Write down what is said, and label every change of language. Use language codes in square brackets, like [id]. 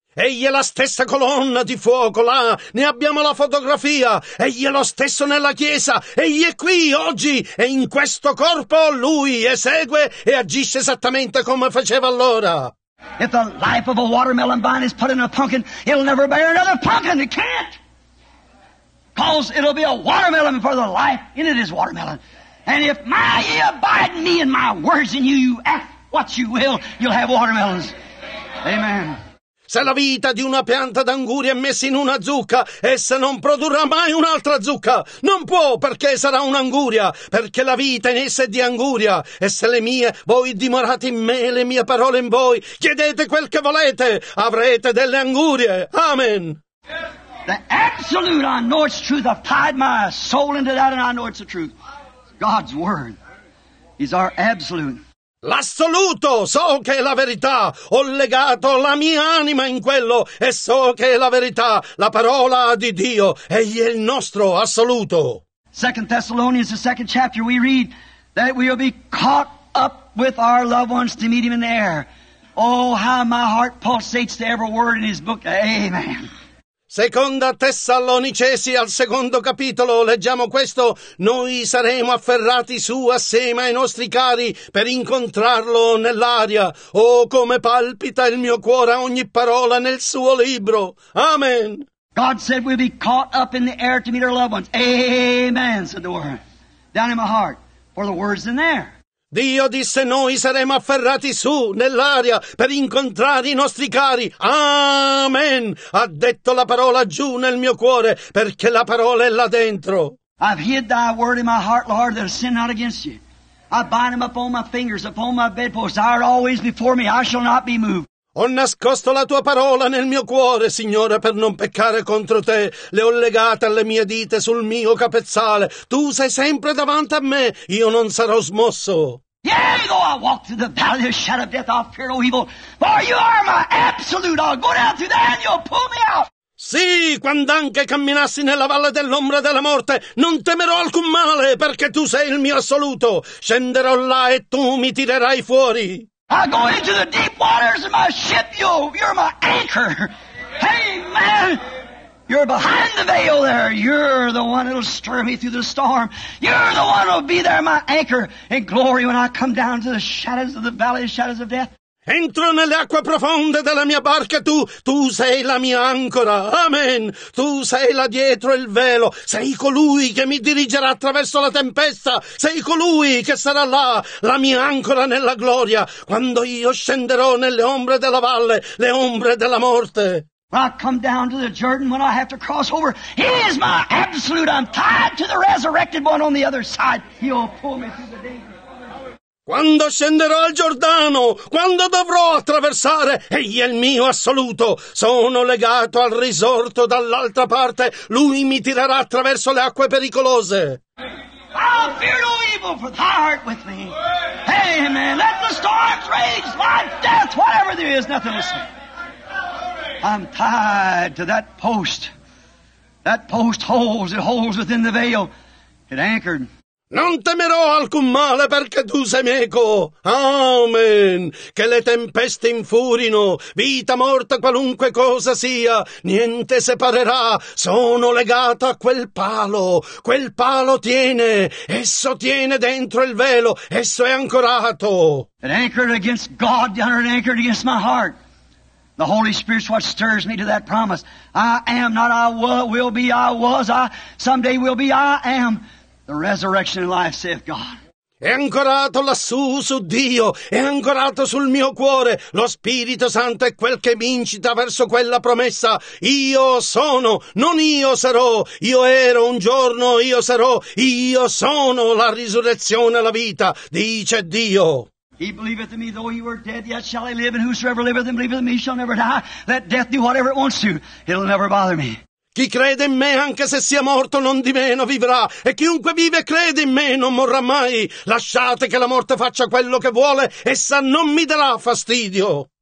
[it] Egli è la stessa colonna di fuoco là, ne abbiamo la fotografia. Egli è lo stesso nella chiesa, egli è qui oggi, e in questo corpo lui esegue e agisce esattamente come faceva allora. [en] If the life of a watermelon vine is put in a pumpkin, it'll never bear another pumpkin. It can't. Because it'll be a watermelon before the life in it is watermelon. And if my ye abide in me and my words in you, you ask what you will, you'll have watermelons. Amen. [it] Se la vita di una pianta d'anguria è messa in una zucca, essa non produrrà mai un'altra zucca. Non può, perché sarà un'anguria, perché la vita in essa è di anguria. E se le mie, voi dimorate in me e le mie parole in voi, chiedete quel che volete, avrete delle angurie. Amen. [en] The absolute, I know it's truth. I've tied my soul into that and I know it's the truth. God's word is our absolute. [it] L'assoluto, so che è la verità, ho legato la mia anima in quello e so che è la verità, la parola di Dio, egli è il nostro assoluto. [en] Second Thessalonians, the second chapter, we read that we will be caught up with our loved ones to meet him in the air. Oh, how my heart pulsates to every word in his book. Amen. [it] Seconda Tessalonicesi, al secondo capitolo, leggiamo questo. Noi saremo afferrati su assieme ai nostri cari per incontrarlo nell'aria. Oh, come palpita il mio cuore a ogni parola nel suo libro. Amen. [en] God said we'll be caught up in the air to meet our loved ones. Amen, said the word. Down in my heart, for the word's in there. [it] Dio disse noi saremo afferrati su nell'aria per incontrare i nostri cari. Amen. Ha detto la parola giù nel mio cuore perché la parola è là dentro. [en] I've hid thy word in my heart, Lord, that I sin not against you. I bind them upon my fingers, upon my bedposts. Thou art always before me. I shall not be moved. [it] Ho nascosto la tua parola nel mio cuore, Signore, per non peccare contro te. Le ho legate alle mie dita sul mio capezzale. Tu sei sempre davanti a me. Io non sarò smosso. [en] Yea, though I walk through the valley of the shadow of death, I fear no evil. For you are my absolute. I'll go down through there and you'll pull me out. [it] Sì, quando anche camminassi nella valle dell'ombra della morte, non temerò alcun male, perché tu sei il mio assoluto. Scenderò là e tu mi tirerai fuori. [en] I go into the deep waters of my ship, you're my anchor. Hey, man, you're behind the veil there. You're the one that'll stir me through the storm. You're the one that'll be there, my anchor in glory when I come down to the shadows of the valley of shadows of death. [it] Entro nelle acque profonde della mia barca, tu sei la mia ancora. Amen. Tu sei là dietro il velo. Sei colui che mi dirigerà attraverso la tempesta. Sei colui che sarà là, la mia ancora nella gloria. Quando io scenderò nelle ombre della valle, le ombre della morte. [en] When I come down to the Jordan, when I have to cross over, he is my absolute. I'm tied to the resurrected one on the other side. He'll pull me through the danger. [it] Quando scenderò al Giordano, quando dovrò attraversare, egli è il mio assoluto. Sono legato al risorto dall'altra parte. Lui mi tirerà attraverso le acque pericolose. [en] I fear no evil for thy heart with me. Amen. Let the storms rage, life, death, whatever there is, nothing will stand. I'm tied to that post. That post holds, it holds within the veil. It anchored. [it] Non temerò alcun male perché tu sei meco. Amen. Che le tempeste infurino, vita, morta, qualunque cosa sia, niente separerà. Sono legato a quel palo. Quel palo tiene. Esso tiene dentro il velo. Esso è ancorato. [en] It anchored against God, it anchored against my heart. The Holy Spirit's what stirs me to that promise. I am not I was, will be, I was, I someday will be, I am. The resurrection and life saith God. [it] È ancorato lassù su Dio, è ancorato sul mio cuore. Lo Spirito Santo è quel che mi incita verso quella promessa. Io sono, non io sarò. Io ero un giorno, io sarò. Io sono la risurrezione e la vita, dice Dio. [en] He believeth in me, though he were dead, yet shall he live. And whosoever liveth and believeth in me shall never die. Let death do whatever it wants to. It'll never bother me. [it] Chi crede in me, anche se sia morto, non di meno vivrà. E chiunque vive e crede in me non morrà mai. Lasciate che la morte faccia quello che vuole, essa non mi darà fastidio.